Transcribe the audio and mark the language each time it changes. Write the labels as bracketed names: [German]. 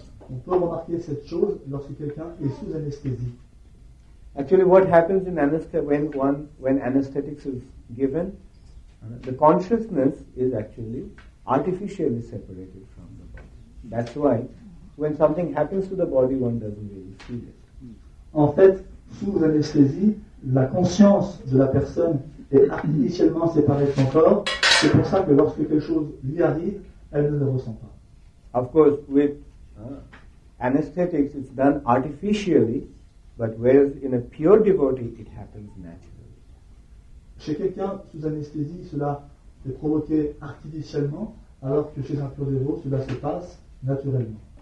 [French] On peut remarquer cette chose lorsque quelqu'un est sous anesthésie. [English] Actually, what happens in when anesthetics is given, the consciousness is actually artificially separated from the body. That's why, when something happens to the body, one doesn't really feel it. [French] En fait, sous anesthésie, la conscience de la personne est artificiellement séparée de son corps. C'est pour ça que lorsque quelque chose lui arrive, elle ne le ressent pas. [English] Of course, with anesthetics is done artificially, but whereas in a pure devotee it happens naturally. [French] Chez quelqu'un sous anesthésie, cela est provoqué artificiellement, alors que chez un pur dévot, cela se passe naturellement.